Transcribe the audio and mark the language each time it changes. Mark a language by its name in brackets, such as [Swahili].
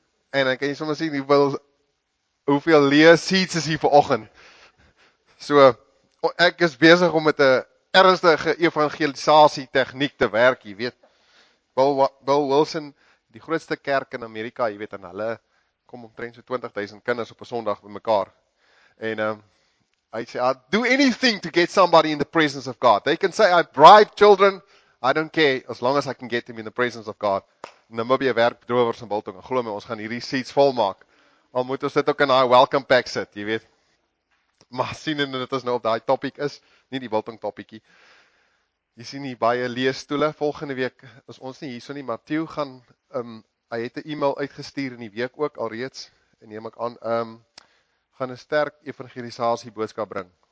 [Afrikaans] En dan kan jy sommer sien hoeveel leë seats is hier vanoggend. So ek is besig om met 'n ernstige evangelisasie tegniek te werk, jy weet. Bill Wilson, die grootste kerk in Amerika, jy weet, en hulle kom omtrent so 20,000 kinders op 'n Sondag bymekaar. En hy sê, [English] I'll do anything to get somebody in the presence of God. They can say I bribe children, I don't care, as long as I can get them in the presence of God. [Afrikaans] Namibia werk drowers en biltong. Glo my, ons gaan hierdie seats volmaak. Al moet ons dit ook in daai welcome pack sit, jy weet. Maar sien en dit is nou op daai topic is, nie die biltong topicie. Jy sien hier baie leë stoele. Volgende week is ons nie hierso nie, maar Theo gaan hy het 'n e-mail uitgestuur in die week ook alreeds en neem ek aan gaan 'n sterk evangelisasie boodskap bring.